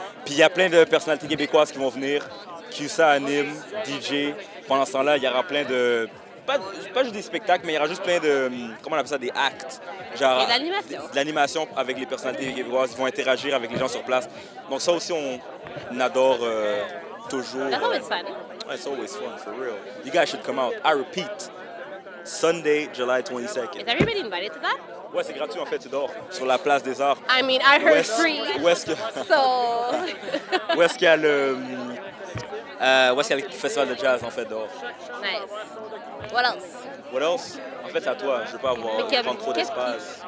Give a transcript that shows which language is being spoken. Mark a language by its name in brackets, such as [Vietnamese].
[French] Puis il y a plein de personnalités québécoises qui vont venir. Cusa anime, DJ. Pendant ce temps-là, il y aura plein de... Pas juste des spectacles, mais il y aura juste plein de... Comment on appelle ça? Des actes. Genre, et l'animation. L'animation avec les personnalités québécoises. Ils vont interagir avec les gens sur place. Donc ça aussi, on adore toujours. [English] That's always fun. It's always fun, for real. You guys should come out. I repeat. Sunday, July 22nd. Is everybody invited to that? [French] Ouais, c'est gratuit, en fait, tu dors sur la place des Arts. [English] I mean, I heard free. [French] Où est-ce que... [English] So... [French] Où est-ce qu'il y a le... où est-ce qu'il y a le festival de jazz, en fait, dehors? [English] Nice. What else? What else? [French] En fait, c'est à toi. Je veux pas avoir prendre trop d'espace.